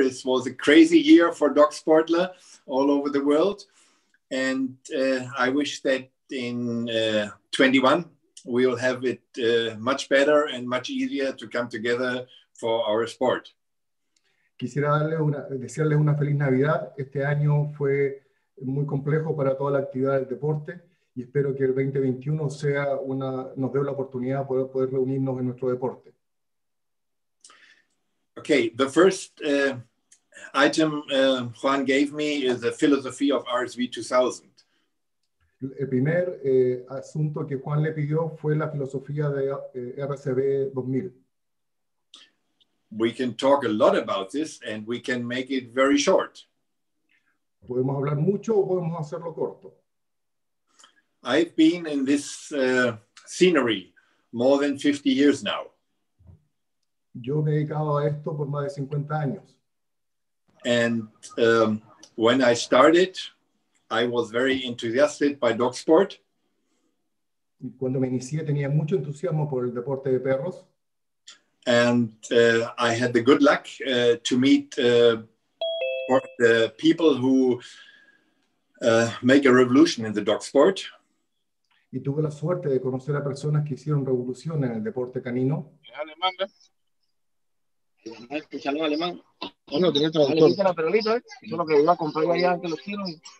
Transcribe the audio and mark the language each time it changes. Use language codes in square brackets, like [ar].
[en] It was a crazy year for Doc Sportler all over the world. And I wish that in 21, we will have it much better and much easier to come together for our sport. [es] Quisiera desearles una feliz Navidad. Este año fue muy complejo para toda la actividad del deporte, y espero que el 2021 sea una nos dé la oportunidad de poder reunirnos en nuestro deporte. [en] Okay, the first item Juan gave me is the philosophy of RSV 2000. [es] El primer asunto que Juan le pidió fue la filosofía de RCB 2000. [en] We can talk a lot about this and we can make it very short. [es] ¿Podemos hablar mucho o podemos hacerlo corto? [en] I've been in this scenery more than 50 years now. [es] Yo me he dedicado a esto por más de 50 años. [en] And when I started, I was very enthusiastic by dog sport. [es] Cuando me inicié, tenía mucho entusiasmo por el deporte de perros. [en] And I had the good luck to meet the people who make a revolution in the dog sport. [es] y tuve la suerte de conocer a personas que hicieron revolución en el deporte canino. ¿Es alemán, ¿ves? ¿Escucharon alemán? Bueno, tenía traductor. Le dije la perolita, ¿eh? Eso es lo que iba a comprar allá antes los tiros.